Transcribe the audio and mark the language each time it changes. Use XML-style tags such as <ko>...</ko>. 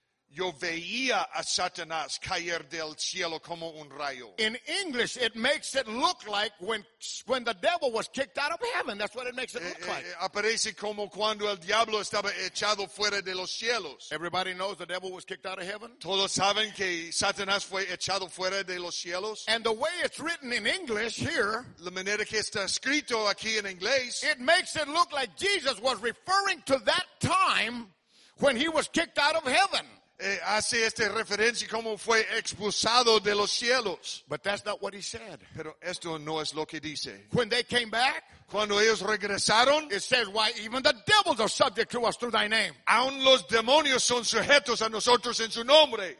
<es>Yo veía a Satanás caer del cielo como un rayo.</es> <en>In English, it makes it look like when the devil was kicked out of heaven. That's what it makes it look like.</en> <es>Aparece como cuando el diablo estaba echado fuera de los cielos.</es> <en>Everybody knows the devil was kicked out of heaven.</en> <es>Todos saben que Satanás fue echado fuera de los cielos.</es> <en>And the way it's written in English here,</en> <es>la manera que está escrito aquí en inglés,</es> <en>it makes it look like Jesus was referring to that time when he was kicked out of heaven.</en> <es>Hace esta referencia como fue expulsado de los cielos.</es> <en>But that's not what he said.</en> <es>Pero esto no es lo que dice.</es> <en>When they came back,</en> <es>cuando ellos regresaron,</es> <en>it says, why even the devils are subject to us through thy name.</en> <es>Aún los demonios son sujetos a nosotros en su nombre.</es>